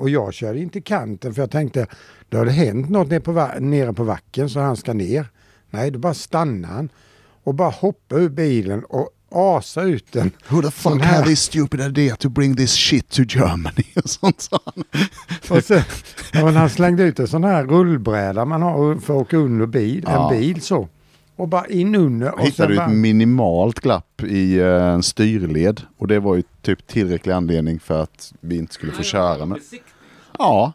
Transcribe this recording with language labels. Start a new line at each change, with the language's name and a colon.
Swedish: Och jag körde inte kanten för jag tänkte det hade hänt något nere på vacken, så han ska ner. Nej, då bara stannar han och bara hoppar ur bilen och asar ut den.
English: Who the fuck had this stupid idea to bring this shit to Germany?
Swedish: Och sånt sa han. Och sen, ja, men han slängde ut en sån här rullbräda man har för att åka under bil, ja. En bil så. Och bara in under. Och hittade ett minimalt glapp i en styrled. Och det var ju typ tillräcklig anledning för att vi inte skulle få köra. Men... ja.